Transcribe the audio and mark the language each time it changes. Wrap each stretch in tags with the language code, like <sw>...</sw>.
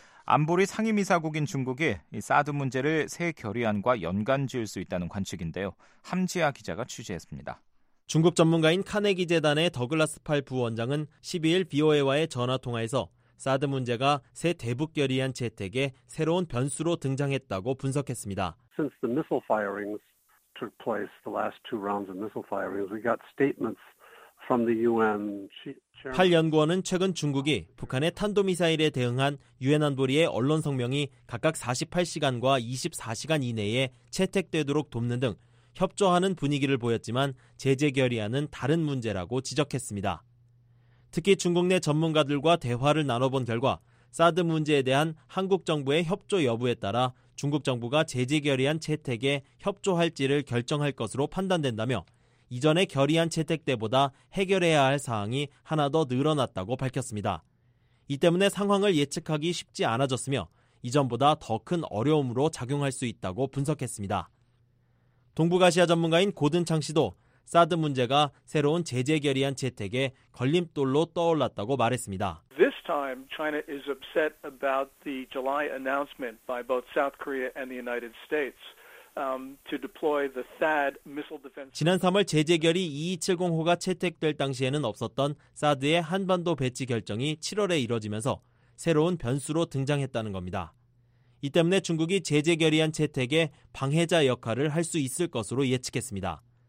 <ko>안보리 상임이사국인 중국이 이 사드 문제를 새 결의안과 연관 지을 수 있다는 관측인데요. 함지아 기자가 취재했습니다. 중국 전문가인 카네기 재단의 더글라스 팔 부원장은 12일 BOA와의 전화통화에서 사드 문제가 새 대북 결의안 채택에 새로운 변수로 등장했다고 분석했습니다.</ko> <en>Since the missile firings took place, the last two rounds of missile firings, we got statements from the UN.</en> <ko>팔 연구원은 최근 중국이 북한의 탄도미사일에 대응한 유엔 안보리의 언론 성명이 각각 48시간과 24시간 이내에 채택되도록 돕는 등 협조하는 분위기를 보였지만 제재 결의안은 다른 문제라고 지적했습니다. 특히 중국 내 전문가들과 대화를 나눠본 결과 사드 문제에 대한 한국 정부의 협조 여부에 따라 중국 정부가 제재 결의안 채택에 협조할지를 결정할 것으로 판단된다며 이전에 결의안 채택 때보다 해결해야 할 사항이 하나 더 늘어났다고 밝혔습니다. 이 때문에 상황을 예측하기 쉽지 않아졌으며 이전보다 더 큰 어려움으로 작용할 수 있다고 분석했습니다. 동북아시아 전문가인 고든창 씨도 사드 문제가 새로운 제재 결의안 채택에 걸림돌로 떠올랐다고 말했습니다.</ko> <en>This time China is upset about the July announcement by both South Korea and the United States. to deploy the THAAD missile defense.</en> <ko>지난 3월 제재 결의 2270호가 채택될 당시에는 없었던 사드의 한반도 배치 결정이 7월에 이뤄지면서 새로운 변수로 등장했다는 겁니다. 이 때문에 중국이 제재 결의안 채택에 방해자 역할을 할 수 있을 것으로 예측했습니다.</ko>